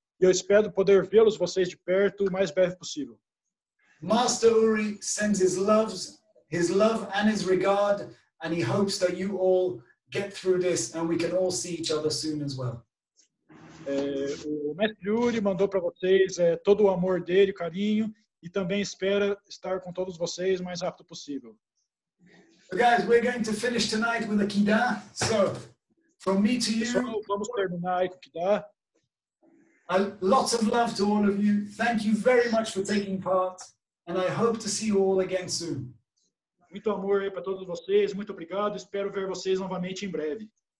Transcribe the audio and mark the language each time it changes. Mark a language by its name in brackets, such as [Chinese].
[Portuguese] E eu espero poder vê-los vocês de perto o mais breve possível. [English] Master Uri sends his love and his regard, and he hopes that you all get through this and we can all see each other soon as well. [Portuguese] O Mestre Uri mandou para vocês todo o amor dele, o carinho, e também espera estar com todos vocês o mais rápido possível. [English] So guys, we're going to finish tonight with a Kidá. So, from me to you. [Portuguese] Pessoal, vamos terminar aí com o Kidá. [English] Lots of love to all of you. Thank you very much for taking part, and I hope to see you all again soon. [Portuguese] Muito amor aí para todos vocês. Muito obrigado. Espero ver vocês novamente em breve.